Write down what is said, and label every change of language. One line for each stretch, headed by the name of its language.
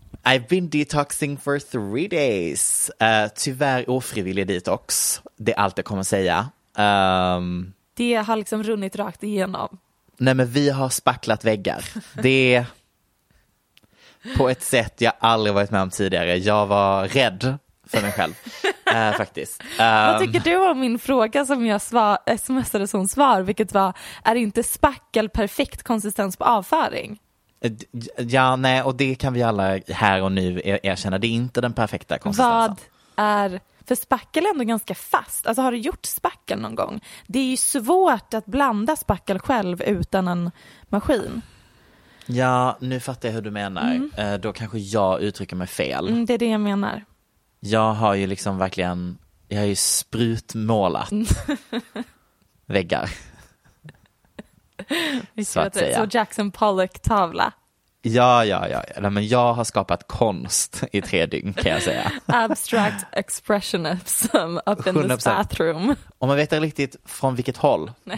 English: I've been detoxing for 3 days.
Swedish: Tyvärr ofrivillig detox. Det är allt jag kommer säga. Det har liksom runnit rakt igenom. Nej, men vi har spacklat väggar. Det på ett sätt jag aldrig varit med om tidigare. Jag var rädd för mig själv. faktiskt. Vad tycker du om min fråga som jag smsade som svar, vilket var, är inte spackel perfekt konsistens på avföring? Ja, nej, och det kan vi alla här och nu erkänna. Det är inte den perfekta konsistensen. Vad är... För spackel är ändå ganska fast. Alltså, har du gjort spackel någon gång? Det är ju svårt att blanda spackel själv utan en maskin. Ja, nu fattar jag hur du menar. Mm. Då kanske jag uttrycker mig fel. Mm, det är det jag menar. Jag har ju liksom verkligen... Jag har ju sprutmålat väggar. Så att säga. Så Jackson Pollock-tavla. Ja, ja, ja. Nej, men jag har skapat konst i tre dygn, kan jag säga.
English: Abstract expressionism up in this bathroom.
Swedish: Om man vet riktigt från vilket håll, nej.